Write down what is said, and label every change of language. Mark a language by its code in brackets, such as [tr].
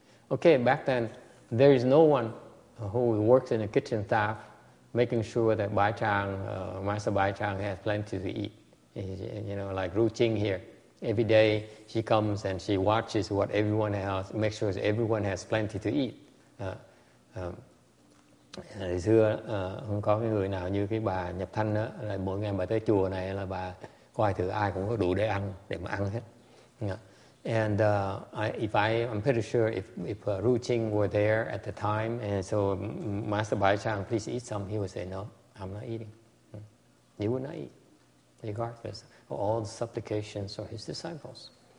[en] Okay, back then, there is no one who works in a kitchen staff making sure that Bai Chang, Master Bai Chang has plenty to eat. You know, like Ru Qing here. Every day, she comes and she watches what everyone else, makes sure everyone has plenty to eat. [vi] Hồi xưa, không có cái người nào như cái bà Nhập Thanh đó, là mỗi ngày bà tới chùa này là bà coi thử ai cũng có đủ để ăn, để mà ăn hết. [en] Yeah. And I'm pretty sure if Ru Qing were there at the time, and so Master Bai Chang, please eat some, he would say, no, I'm not eating. He would not eat, regardless of all the supplications of his disciples.